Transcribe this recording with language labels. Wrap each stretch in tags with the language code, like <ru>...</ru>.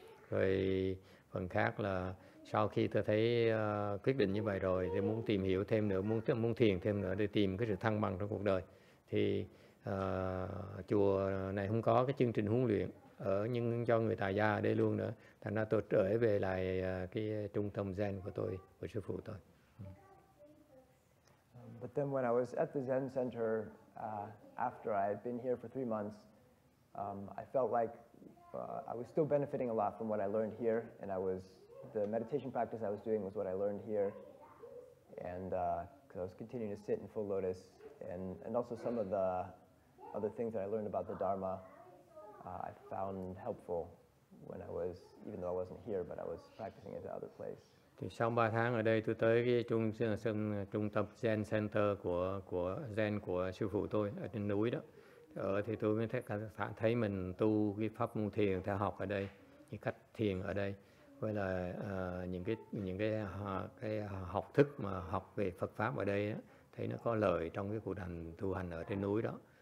<vi>Rồi phần khác là sau khi tôi thấy quyết định như vậy rồi thì muốn tìm hiểu thêm nữa, muốn thiền thêm nữa để tìm cái sự thăng bằng trong cuộc đời. Thì chùa này không có cái chương trình huấn luyện ở nhưng cho người tại gia ở đây luôn nữa. Thành ra tôi trở về lại cái trung tâm Zen của tôi, của sư phụ tôi.</vi> <en>But then when I was at the Zen Center, after I had been here for 3 months, I felt like I was still benefiting a lot from what I learned here, and I was, the meditation practice I was doing was what I learned here, and because I was continuing to sit in full lotus, and also some of the other things that I learned about the Dharma, I found helpful when I was, even though I wasn't here, but I was practicing at the other place.</en> <vi>Thì sau 3 tháng ở đây tôi tới cái trung tâm Zen Center của Zen của sư phụ tôi ở trên núi đó. Ở thì tôi mới thấy mình tu cái pháp môn thiền theo học ở đây, những cách thiền ở đây với là những cái học thức mà học về Phật pháp ở đây đó, thấy nó có lợi trong cái cuộc hành tu hành ở trên núi đó.</vi>